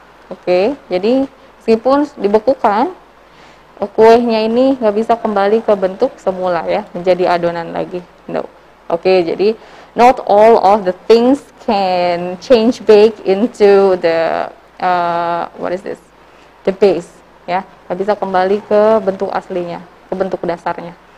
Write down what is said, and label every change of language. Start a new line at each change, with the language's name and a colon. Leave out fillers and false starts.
Indonesian: Oke, okay, jadi meskipun dibekukan, kuenya ini nggak bisa kembali ke bentuk semula, ya, menjadi adonan lagi.
English: No. Oke, okay, jadi not all of the things can change back into the what is this?
Indonesian: The base, ya, nggak bisa kembali ke bentuk aslinya, ke bentuk dasarnya.